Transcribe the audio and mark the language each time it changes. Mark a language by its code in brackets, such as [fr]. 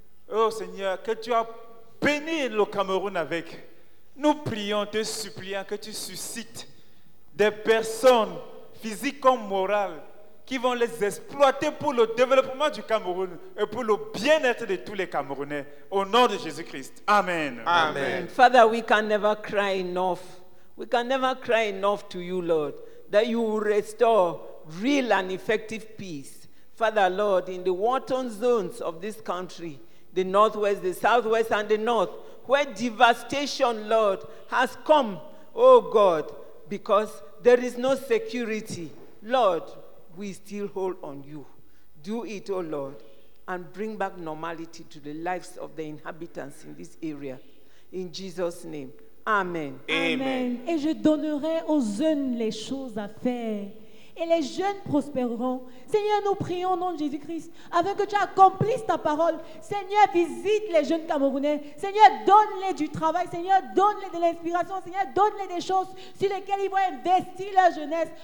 [fr] Oh Seigneur, que tu as béni le Cameroun avec. Nous prions, te supplions que tu suscites des personnes physiques comme morales qui vont les exploiter pour le développement du Cameroun et pour le bien-être de tous les Camerounais. Au nom de Jésus-Christ. Amen. Amen. Amen. [en] Father, we can never cry enough. We can never cry enough to you, Lord, that you will restore real and effective peace. Father, Lord, in the war-torn zones of this country, the northwest, the southwest, and the north, where devastation, Lord, has come, oh God, because there is no security, Lord, we still hold on you. Do it, oh Lord, and bring back normality to the lives of the inhabitants in this area. In Jesus' name, amen. Amen. Amen. [fr] Et je donnerai aux jeunes les choses à faire. Et les jeunes prospéreront. Seigneur, nous prions au nom de Jésus-Christ, afin que tu accomplisses ta parole. Seigneur, visite les jeunes Camerounais. Seigneur, donne-les du travail. Seigneur, donne-les de l'inspiration. Seigneur, donne-les des choses sur lesquelles ils vont investir leur jeunesse.